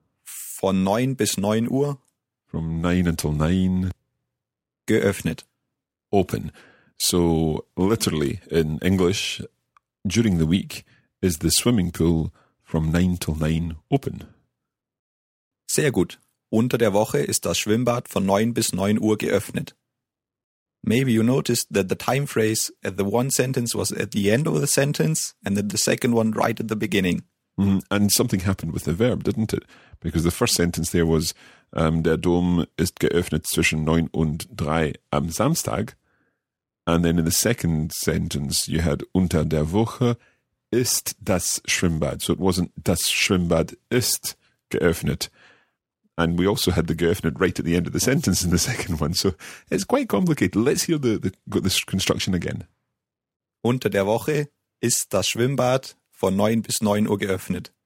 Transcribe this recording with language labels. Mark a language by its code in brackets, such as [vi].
[de] Von 9 bis 9 Uhr. [en] From 9 until 9. [de] Geöffnet. [en] Open. So literally in English, during the week, is the swimming pool from 9 till 9 open. [de] Sehr gut. Unter der Woche ist das Schwimmbad von 9 bis 9 Uhr geöffnet. [en] Maybe you noticed that the time phrase at the one sentence was at the end of the sentence and then the second one right at the beginning. Mm-hmm. And something happened with the verb, didn't it? Because the first sentence there was, [de] der Dom ist geöffnet zwischen 9 und 3 am Samstag. [en] And then in the second sentence you had, [de] unter der Woche ist das Schwimmbad. [en] So it wasn't, [de] das Schwimmbad ist geöffnet. [en] And we also had the geöffnet right at the end of the sentence in the second one. So it's quite complicated. Let's hear the construction again. [de] Unter der Woche ist das Schwimmbad von 9 bis 9 Uhr geöffnet.